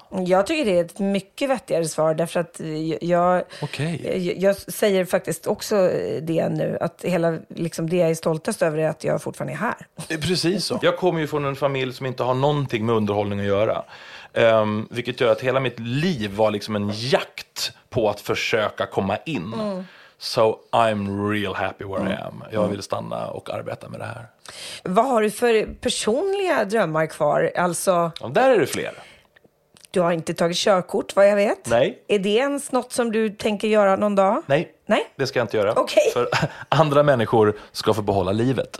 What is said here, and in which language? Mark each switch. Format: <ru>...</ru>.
<sv>Jag tycker det är ett mycket vettigare svar, därför att jag säger faktiskt också det nu, att hela liksom, det jag är stoltast över är att jag fortfarande är här. Precis så. Jag kommer ju från en familj som inte har någonting med underhållning att göra. Vilket gör att hela mitt liv var liksom en jakt på att försöka komma in. Mm.</sv> <en>So I'm real happy where I am.</en> <sv>Jag vill stanna och arbeta med det här. Vad har du för personliga drömmar kvar? Alltså, där är det fler. Du har inte tagit körkort, vad jag vet. Nej. Är det ens något som du tänker göra någon dag? Nej. Nej? Det ska jag inte göra. Okay. För andra människor ska få behålla livet.</sv>